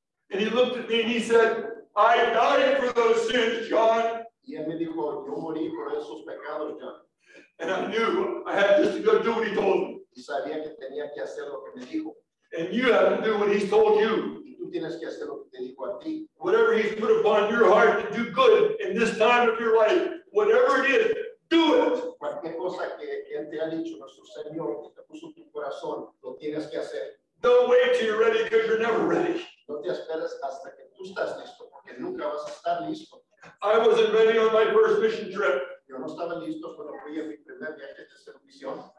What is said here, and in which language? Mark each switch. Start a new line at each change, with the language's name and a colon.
English: And he looked at me and he said, I died for those sins, John.
Spanish: Y él me dijo, yo morí por esos pecados, John.
English: And I knew I had just to go do what he told me.
Spanish: Y sabía que tenía que hacer lo que me dijo.
English: And you have to do what he's told you.
Spanish: Y tú tienes que hacer lo que te dijo a ti.
English: Whatever he's put upon your heart to do good in this time of your life, whatever it is, do it.
Spanish: Cualquier cosa que él te ha dicho, nuestro Señor, que te puso tu corazón, lo tienes que hacer.
English: Don't wait till you're ready, because you're never ready.
Spanish: No te esperes hasta que tú estás listo, porque nunca vas a estar listo.
English: I wasn't ready on my first mission trip.
Spanish: Yo no estaba listo cuando fui a mi primer viaje de servición.